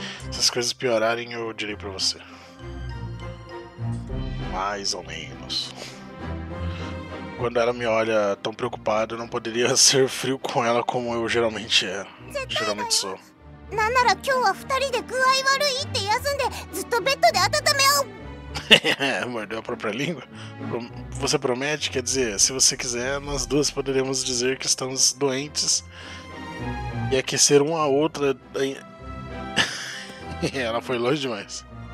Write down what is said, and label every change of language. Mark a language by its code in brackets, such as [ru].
[pt] Se as coisas piorarem, eu direi pra você. Mais ou menos. Quando ela me olha tão preocupada, eu não poderia ser frio com ela como eu geralmente sou. [ja] なんなら今日は二人で具合悪いって休んでずっとベッドで温め合う。 [pt] Mordeu a própria língua. Você promete? Quer dizer, se você quiser, nós duas poderemos dizer que estamos doentes e aquecer uma a outra. Ela foi longe demais.